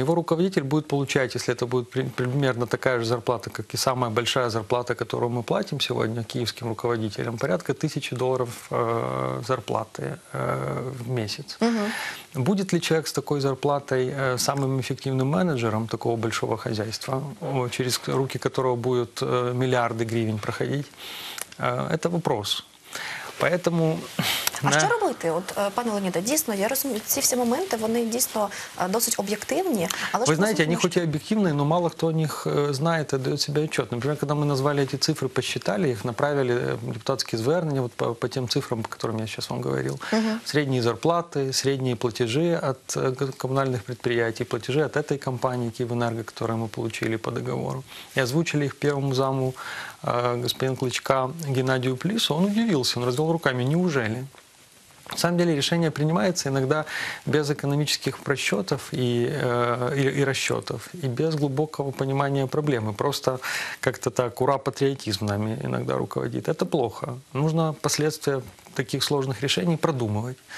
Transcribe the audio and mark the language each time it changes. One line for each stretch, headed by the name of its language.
Russian: Его руководитель будет получать, если это будет примерно такая же зарплата, как и самая большая зарплата, которую мы платим сегодня киевским руководителям, порядка $1000 зарплаты в месяц. Будет ли человек с такой зарплатой самым эффективным менеджером такого большого хозяйства, через руки которого будут миллиарды гривен проходить? Это вопрос. Поэтому...
Ukrainian: Що робити? От, пане Леоніде, дійсно, я розумію, ці всі моменти, вони дійсно досить об'єктивні. Але ви знаєте, вони хоч і об'єктивні, але мало хто о них знає та дає собі відчет. Наприклад, коли ми назвали ці цифри, посчитали їх, направили депутатські звернення от по тим цифрам, про які я зараз вам говорив. Середні зарплати, середні платежі від комунальних підприємств, платежі від цієї компанії «Київенерго», яку ми отримали по договору. І озвучили їх першому заму господину Кличка Геннадію Плісу. Він удивився, він розвів руками.
Russian: Неужели? На самом деле решение принимается иногда без экономических просчетов и расчетов, и без глубокого понимания проблемы. Просто как-то так ура-патриотизм нами иногда руководит. Это плохо. Нужно последствия таких сложных решений продумывать.